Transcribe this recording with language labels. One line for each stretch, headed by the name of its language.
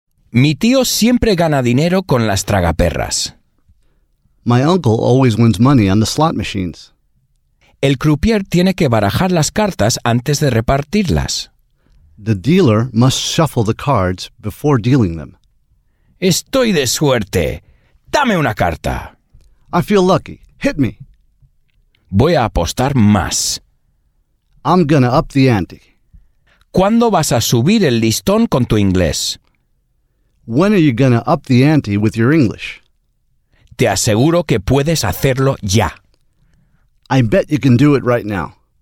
Spanish: Mi tío siempre gana dinero con las tragaperras.
English: My uncle always wins money on the slot machines.
Spanish: El croupier tiene que barajar las cartas antes de repartirlas.
English: The dealer must shuffle the cards before dealing them.
Spanish: Estoy de suerte. Dame una carta.
English: I feel lucky. Hit me.
Spanish: Voy a apostar más.
English: I'm gonna up the ante.
Spanish: ¿Cuándo vas a subir el listón con tu inglés?
English: When are you gonna up the ante with your English?
Spanish: Te aseguro que puedes hacerlo ya.
English: I bet you can do it right now.